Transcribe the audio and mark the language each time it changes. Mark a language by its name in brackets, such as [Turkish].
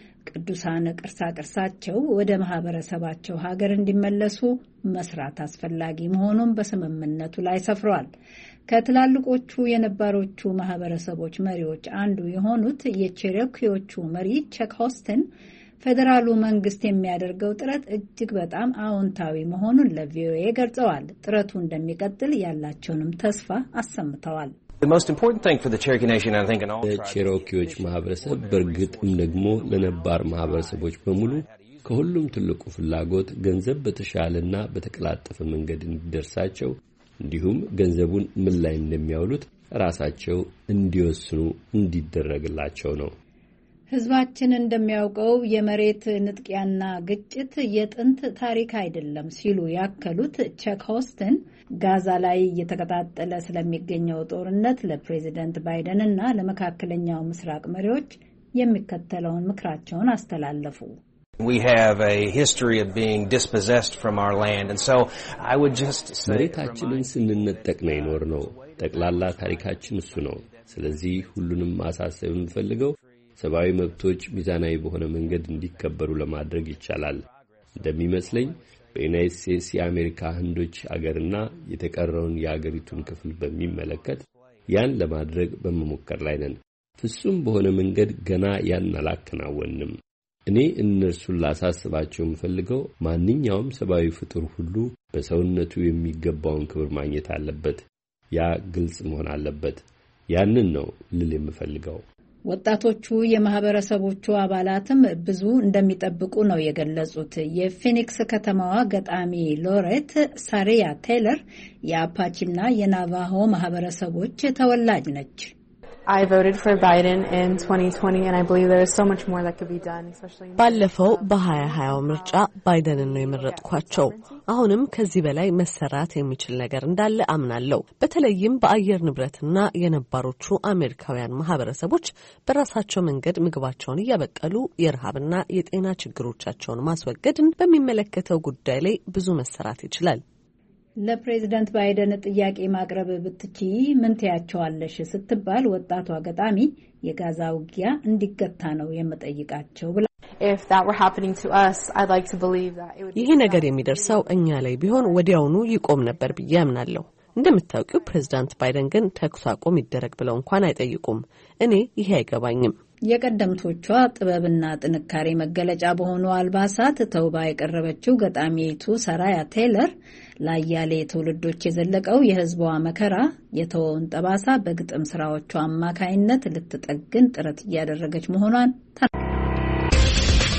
[Amharic] ቅዱሳን ቅርሳ ቅርሳቸው ወደ ማህበረሰባቸው ሀገር እንዲመለሱ መስራት አስፈላጊ መሆኑን በስምምነቱ ላይ ሰፍሯል። ከትላልቆቹ የነባሮቹ ማህበረሰቦች መሪዎች አንዱ የሆኑት የቼሮኪዎቹ መሪ ቼክ ሆስተን ፌደራሉ መንግስት የሚያደርገው ጥረት እጅግ በጣም አዎንታዊ መሆኑን ለቪኦኤ ገልጸዋል። ጥረቱ እንደሚቀጥል ያላቸውንም ተስፋ አሰምተዋል። [English] The most important thing for the Cherokee Nation, I think, and all tribes. [Amharic] የቼሮኪዎች ማህበረሰብ በርግጥም ደግሞ ለነባር ማህበረሰቦች በሙሉ ከሁሉም ትልቁ ፍላጎት ገንዘብ በተሻለና በተቀላጠፈ መንገድ እንዲደርሳቸው እንዲሁም ገንዘቡን ምን ላይ እንደሚያውሉት ራሳቸው እንዲወስኑ እንዲደረግላቸው ነው። ህዝባችን እንደሚያውቀው የመሬት ንጥቂያና ግጭት የጥንት ታሪክ አይደለም ሲሉ ያከሉት ቼክ ሆስተን ጋዛ ላይ የተቀጣጠለ ስለሚገኘው ጦርነት ለፕሬዚደንት ባይደንና ለመካከለኛው ምስራቅ መሪዎች የሚከተለውን ምክራቸውን አስተላለፉ። [English] We have a history of being dispossessed from our land, and so I would just say [Amharic] መሬታችንን ስንነጠቅ ነው የኖርነው። ጠቅላላ ታሪካችን እሱ ነው። ስለዚህ ሁሉንም ማሳሰብ እንፈልገው ሰብአዊ መብቶች ሚዛናዊ በሆነ መንገድ እንዲከበሩ ለማድረግ ይቻላል። እንደሚመስለኝ በዩናይትድ ስቴትስ የአሜሪካ ህንዶች አገርና የተቀረውን የአገሪቱን ክፍል በሚመለከት ያን ለማድረግ በመሞከር ላይ ነን። ፍጹም በሆነ መንገድ ገና ያን አላከናወንም። እኔ እነርሱን ላሳስባቸው የምፈልገው ማንኛውም ሰብአዊ ፍጡር ሁሉ በሰውነቱ የሚገባውን ክብር ማግኘት አለበት። ያ ግልጽ መሆን አለበት። ያንን ነው ልል የምፈልገው። ወጣቶቹ የማህበረሰቦቹ አባላትም ብዙ እንደሚጠብቁ ነው የገለጹት። የፊኒክስ ከተማዋ ገጣሚ ሎሬት ሳሪያ ቴይለር የአፓቺና የናቫሆ ማህበረሰቦች ተወላጅ ነች። [English] I voted for Biden in 2020 and I believe there is so much more that could be done, especially [Amharic] ባለፈው በ2020 ምርጫ ባይደንን ነው የመረጥኳቸው። አሁንም ከዚህ በላይ መሰራት የሚችል ነገር እንዳለ አምናለሁ። በተለይም በአየር ንብረትና የነባሮቹ አሜሪካውያን ማህበረሰቦች በራሳቸው መንገድ ምግባቸውን እየበቀሉ የርሃብና የጤና ችግሮቻቸውን ማስወገድን በሚመለከተው ጉዳይ ላይ ብዙ መሰራት ይችላል። ለፕሬዝዳንት ባይደን ጥያቄ ማቅረብ ብትቺ ምን ትያቸዋለሽ ስትባል ወጣቷ ገጣሚ የጋዛ ውጊያ እንዲገታ ነው የምጠይቃቸው ብላ [English] If that were happening to us, I'd like to believe that it would [Amharic] ይሄ ነገር የሚደርሰው እኛ ላይ ቢሆን ወዲያውኑ ይቆም ነበር ብዬ አምናለሁ። እንደምታውቂው ፕሬዝዳንት ባይደን ግን ተኩስ አቁም ይደረግ ብለው እንኳን አይጠይቁም። እኔ ይሄ አይገባኝም። የቀደምቶቿ ጥበብና ጥንካሬ መገለጫ በሆኑ አልባሳት ተውባ የቀረበችው ገጣሚቱ ሳራያ ቴይለር ላያሌ ትውልዶች የዘለቀው የህዝቧ መከራ የተወውን ጠባሳ በግጥም ስራዎቿ አማካይነት ልትጠግን ጥረት እያደረገች መሆኗን ተናግራለች።